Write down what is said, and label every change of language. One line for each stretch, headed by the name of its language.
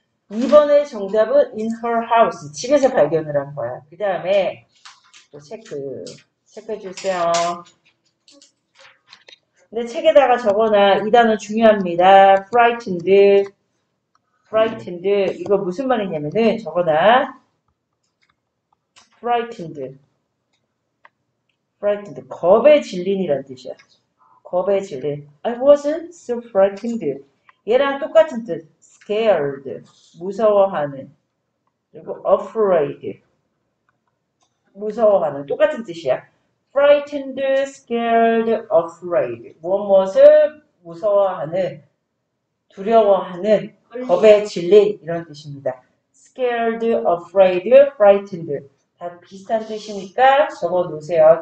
Korean: 이번에 정답은
English: in her house.
Korean: 집에서 발견을 한 거야. 그 다음에 또 체크해 주세요. 근데 책에다가 적어놔. 이 단어 중요합니다.
English: frightened. frightened.
Korean: 이거 무슨 말이냐면은 적어놔.
English: frightened. frightened.
Korean: 겁에 질린이란 뜻이야. 겁에 질린.
English: I wasn't so frightened.
Korean: 얘랑 똑같은 뜻. scared. 무서워하는. 그리고 afraid. 무서워하는. 똑같은 뜻이야.
English: frightened, scared, afraid.
Korean: 무엇을 무서워하는, 두려워하는, 겁에 질린 이런 뜻입니다.
English: scared, afraid, frightened.
Korean: 다 비슷한 뜻이니까 적어 놓으세요.